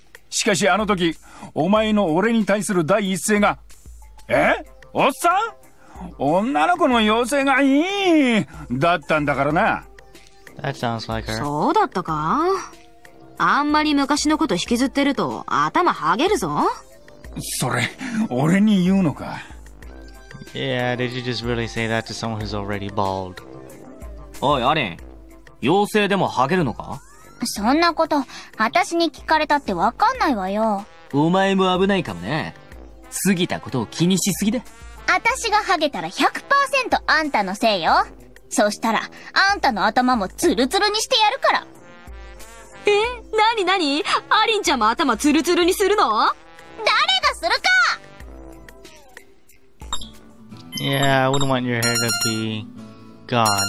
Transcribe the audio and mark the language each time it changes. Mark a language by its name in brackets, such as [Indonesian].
[Japanese] しかしあの時お前の俺に対する第一声が、え、おっさん、女の子の妖精がいいだったんだからな。 [English] That sounds like her. [Japanese] そうだったか。あんまり昔のこと引きずってると頭はげるぞ。それ俺に言うのか。 [English] Yeah, did you just really say that to someone who's already bald? [Japanese] おい、アリン、妖精でもはげるのか。そんなこと私に聞かれたってわかんないわよ。お前も危ないかもね。過ぎたことを気にしすぎだ。私がはげたら 100% あんたのせいよ。そしたらあんたの頭もツルツルにしてやるから。え、なになに、アリンちゃんも頭ツルツルにするの？誰がするか。 [English] Yeah, I wouldn't want your hair to be gone.